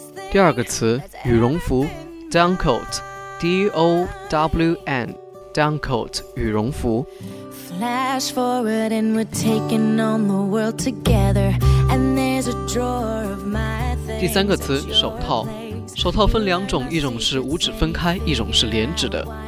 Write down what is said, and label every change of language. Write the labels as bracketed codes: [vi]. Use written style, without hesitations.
[zh] 第二个词，羽绒服 down coat， D-O-W-N down coat 羽绒服。 [en] Flash forward and we're taking on the world together and there's a drawer of my things。 [zh] 第三个词，手套。手套分两种，一种是五指分开，一种是连指的。